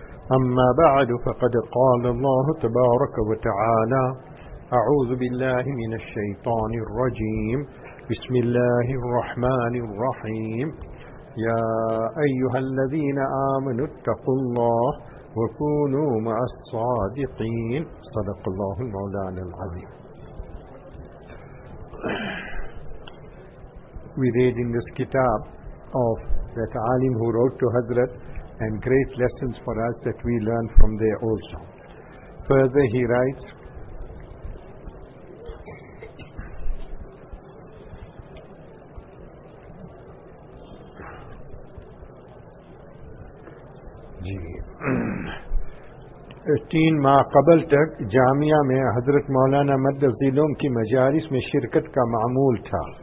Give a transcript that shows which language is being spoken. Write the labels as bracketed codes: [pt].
[ar] أما بعد فقد قال الله تبارك وتعالى أعوذ بالله من الشيطان الرجيم بسم الله الرحمن الرحيم يا أيها الذين آمنوا اتقوا الله وكونوا مع الصادقين صدق الله المولانا العظيم. [en] We read in this kitab of that alim who wrote to Hazrat, and great lessons for us that we learn from there also. [ur] Further he writes, تین ماہ قبل تک جامعہ میں حضرت مولانا مدرسی لوگ کی مجالس میں شرکت کا معمول تھا.